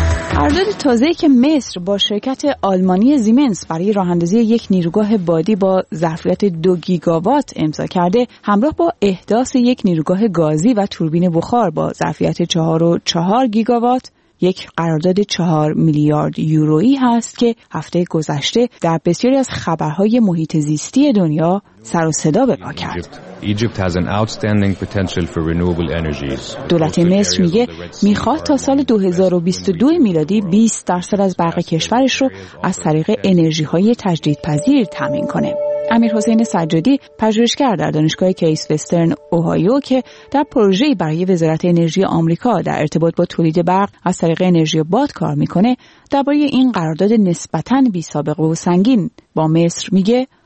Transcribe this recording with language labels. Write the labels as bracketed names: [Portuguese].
[Persian] قرارداد تازه‌ای که مصر با شرکت آلمانی زیمنس برای راه اندازی یک نیروگاه بادی با ظرفیت 2 گیگاوات امضا کرده، همراه با احداث یک نیروگاه گازی و توربین بخار با ظرفیت 4.4 گیگاوات، یک قرارداد 4 میلیارد یورویی هست که هفته گذشته در بسیاری از خبرهای محیط زیستی دنیا سر و صدا به پا کرد. [English] Egypt has an outstanding potential for renewable energies. [Persian] دولت مصر میگه میخواد تا سال 2022 میلادی 20% از برق کشورش رو از طریق انرژی های تجدیدپذیر تامین کنه. امیر حسین سجادی، پژوهشگر در دانشگاه کیس وسترن اوهایو که در پروژه‌ای برای وزارت انرژی آمریکا در ارتباط با تولید برق از طریق انرژی باد کار می‌کنه، درباره این قرارداد نسبتاً بی‌سابقه و سنگین با مصر میگه: